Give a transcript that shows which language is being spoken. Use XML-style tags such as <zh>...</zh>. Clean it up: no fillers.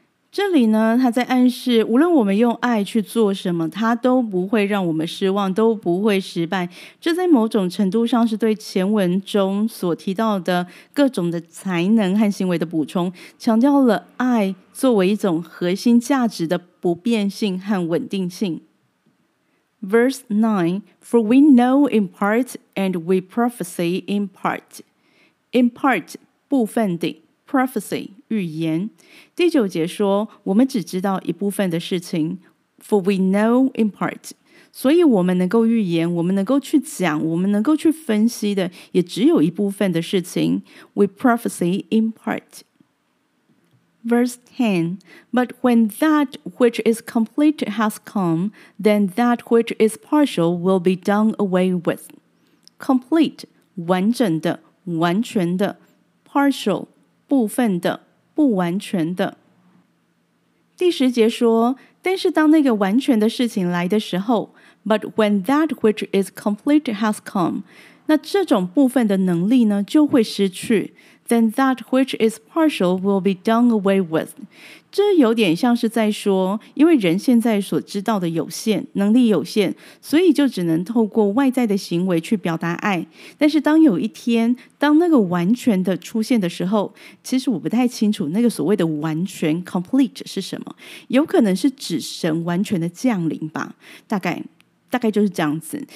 <zh>这里呢，他在暗示，无论我们用爱去做什么，它都不会让我们失望，都不会失败。这在某种程度上是对前文中所提到的各种的才能和行为的补充，强调了爱作为一种核心价值的不变性和稳定性。</zh> <en>Verse 9, For we know in part and we prophesy in part. In part, 部分的。Prophecy, 预言。</en> <zh>第九节说，我们只知道一部分的事情。</zh> <en>For we know in part.</en> <zh>所以我们能够预言，我们能够去讲，我们能够去分析的，也只有一部分的事情。</zh> <en>We prophesy in part. Verse 10, But when that which is complete has come, then that which is partial will be done away with.</en> <zh>Complete, 完整的、完全的 partial, 部分的、不完全的。第十节说，但是当那个完全的事情来的时候</zh> <en>But when that which is complete has come,</en> <zh>那这种部分的能力呢，就会失去。</zh> <en>Then that which is partial will be done away with.</en> <zh>这有点像是在说，因为人现在所知道的有限，能力有限，所以就只能透过外在的行为去表达爱。但是当有一天，当那个完全的出现的时候，其实我不太清楚那个所谓的完全 complete 是什么，有可能是指神完全的降临吧，大概就是这样子。</zh>